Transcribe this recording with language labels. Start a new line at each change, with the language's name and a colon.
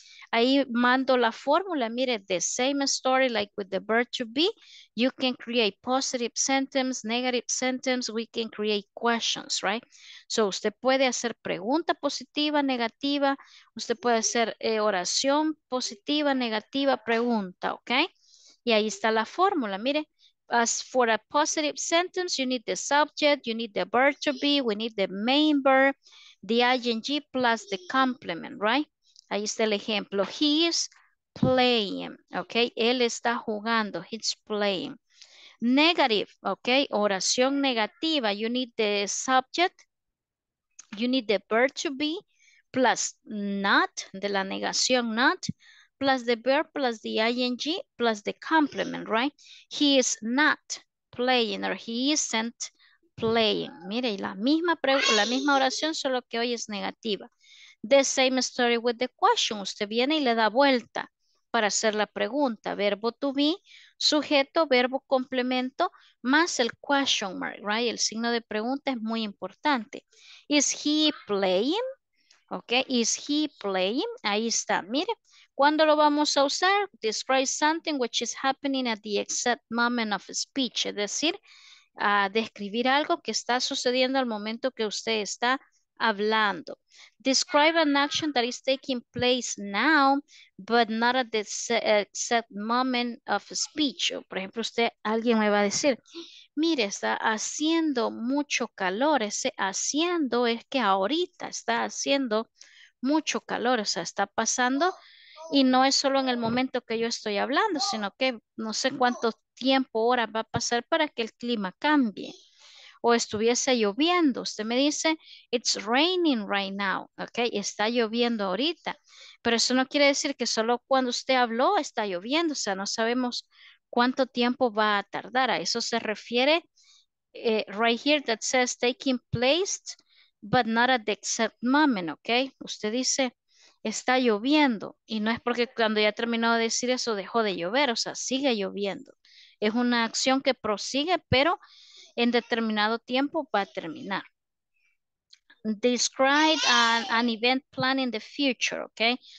Spanish: Ahí mando la fórmula, mire,
English: the same story like with the verb to be. You can create positive sentences, negative sentences, we can create questions, right?
Spanish: So, usted puede hacer pregunta positiva, negativa, usted puede hacer oración positiva, negativa, pregunta, ¿ok? Y ahí está la fórmula, mire.
English: As for a positive sentence, you need the subject, you need the verb to be, we need the main verb, the ing plus the complement, right?
Spanish: Ahí está el ejemplo.
English: He is playing,
Spanish: ¿ok? Él está jugando.
English: He's playing. Negative, ¿ok?
Spanish: Oración negativa.
English: You need the subject. You need the verb to be plus not,
Spanish: de la negación
English: not, plus the verb plus the ing plus the complement, right? He is not playing or he isn't playing.
Spanish: Mire, la misma oración, solo que hoy es negativa.
English: The same story with the question.
Spanish: Usted viene y le da vuelta para hacer la pregunta. Verbo to be, sujeto, verbo, complemento, más el question mark, right? El signo de pregunta es muy importante.
English: Is he playing? Okay, is he playing?
Spanish: Ahí está, mire. ¿Cuándo lo vamos a usar?
English: Describe something which is happening at the exact moment of speech.
Spanish: Es decir, describir algo que está sucediendo al momento que usted está hablando.
English: Describe an action that is taking place now, but not at the exact moment of speech.
Spanish: O, por ejemplo, usted, alguien me va a decir, mire, está haciendo mucho calor. Ese haciendo es que ahorita está haciendo mucho calor. O sea, está pasando y no es solo en el momento que yo estoy hablando, sino que no sé cuánto tiempo, horas va a pasar para que el clima cambie. O estuviese lloviendo. Usted me dice,
English: it's raining right now.
Spanish: Ok, está lloviendo ahorita. Pero eso no quiere decir que solo cuando usted habló está lloviendo. O sea, no sabemos cuánto tiempo va a tardar. A eso se refiere
English: right here that says taking place, but not at the exact moment.
Spanish: Ok, usted dice, está lloviendo. Y no es porque cuando ya terminó de decir eso dejó de llover. O sea, sigue lloviendo. Es una acción que prosigue, pero en determinado tiempo va a terminar.
English: Describe an event plan in the future, ok.